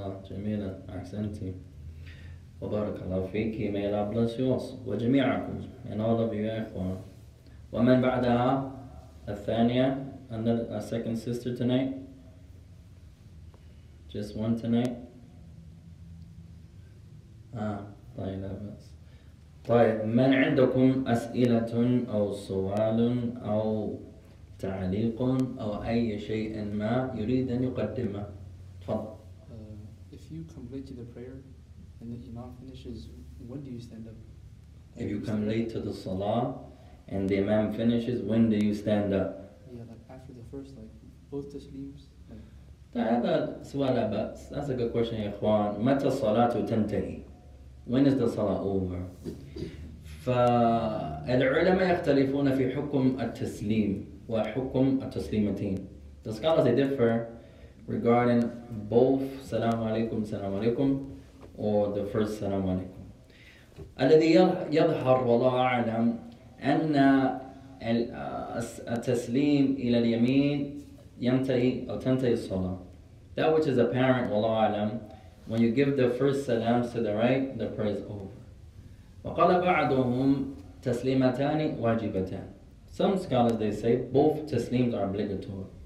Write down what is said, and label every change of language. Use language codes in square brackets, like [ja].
[ar] جميلة أحسنتي وبارك الله فيك [en] may God bless you also [ar] وجميعكم [en] and all of you [ar] يا إخوان ومن بعدها الثانية [en] and the second sister tonight just one tonight [ar] طيب لا بس طيب من عندكم أسئلة أو سؤال أو تعليق أو أي شيء ما يريد أن يقدمه تفضل. [en] If you come late to the prayer and the imam finishes, when do you stand up? If you come late to the salah and the imam finishes, when do you stand up? Yeah, like after the first, like both the sleeves. That's a good question, يا إخوان. [ar] متى الصلاة تنتهي? [en] When is the salah over? [ar] فالعلماء يختلفون في حكم التسليم وحكم التسليمتين. [en] The scholars they differ regarding both Salaamu Alaikum, Salaamu Alaikum, or the first Salaamu Alaikum. [ar] الذي يظهر والله أعلم أن التسليم إلى اليمين ينتهي أو تنتهي الصلاة. [en] That which is apparent, [ar] والله أعلم, [en] when you give the first salams to the right, the prayer is over. [ar] وقال بعضهم تسليمتان واجبتان. [en] Some scholars, they say, both taslims are obligatory.